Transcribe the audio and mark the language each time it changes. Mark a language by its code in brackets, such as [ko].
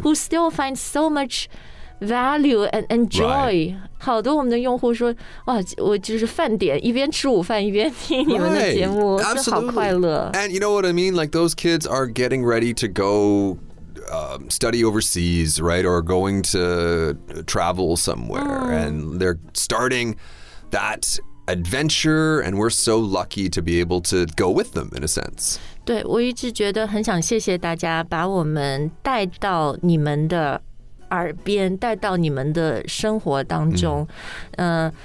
[en] who still find so much value and joy.、 Right. [zh] 好多我们的用户说哇我就是饭点一边吃午饭一边听你们的节目、 [en] right. [zh] 就好快乐。 [en] And you know what I mean? Like those kids are getting ready to go... study overseas, right? Or going to travel somewhere.、 Mm. And they're starting that adventure, and we're so lucky to be able to go with them, in a sense. [zh] 对，我一直觉得很想谢谢大家把我们带到你们的耳边带到你们的生活当中、mm.